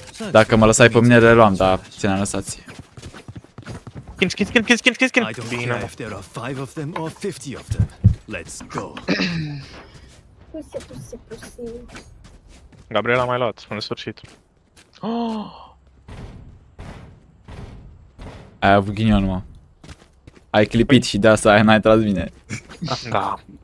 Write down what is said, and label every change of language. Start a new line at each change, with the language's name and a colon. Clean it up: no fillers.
Romanian: Dacă mă lăsai pe mine, le luam, dar ține-am lăsat. Skin. Bine.
English: I don't care if there are 5 of them or 50 of them. Let's go. Pusi.
Romanian: Gabriel a mai luat, până în sfârșit. Oh! Ai avut ghinion, mă. Ai clipit și de asta n-ai tras bine. Da.